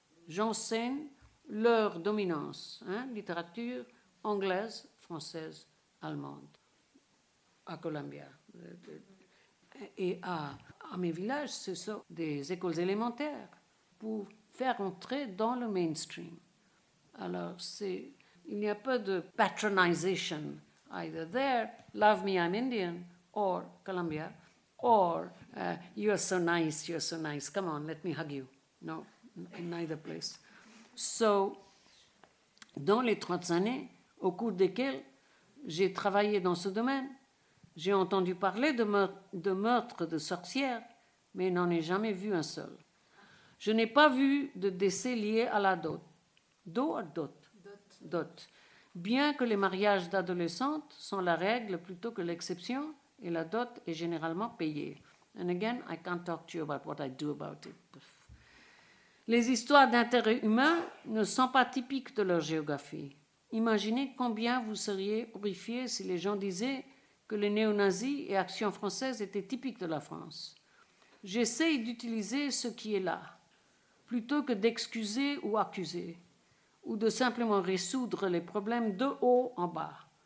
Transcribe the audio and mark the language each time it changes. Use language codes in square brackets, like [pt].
[fr] J'enseigne leur dominance, hein, littérature anglaise, française, allemande, à Columbia. Et à mes villages, ce sont des écoles élémentaires pour faire entrer dans le mainstream. Alors, c'est Il n'y a pas de patronization. [en] Either there, love me, I'm Indian, or Colombia, or you're so nice, come on, let me hug you. No, in neither place. [fr] So, dans les 30 années, au cours desquelles j'ai travaillé dans ce domaine, j'ai entendu parler de meurtres de sorcières, mais n'en ai jamais vu un seul. Je n'ai pas vu de décès lié à la dot. Dot. Bien que les mariages d'adolescentes sont la règle plutôt que l'exception, et la dot est généralement payée. [en] And again, I can't talk to you about what I do about it. [fr] Les histoires d'intérêt humain ne sont pas typiques de leur géographie. Imaginez combien vous seriez horrifiés si les gens disaient que les néo-nazis et Action française étaient typiques de la France. J'essaye d'utiliser ce qui est là, plutôt que d'excuser ou accuser, ou de simplement résoudre les problèmes de haut en bas.